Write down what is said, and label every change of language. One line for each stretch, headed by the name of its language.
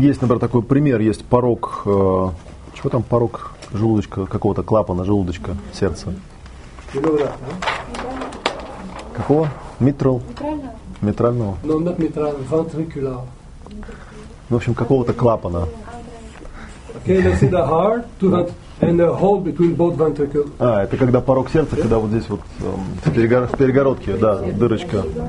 Russian: Есть, например, такой пример, есть порог, чего там порог желудочка, какого-то клапана желудочка, сердца.
English: You know that,
Russian: huh? Какого? Митрал? Митрального.
English: No, not mitral, ventricular.
Russian: В общем, какого-то клапана.
English: Okay, let's see the heart to that and the hole between both ventricles.
Russian: А, это когда порог сердца, yeah? Когда вот здесь вот в перегородке, да, дырочка.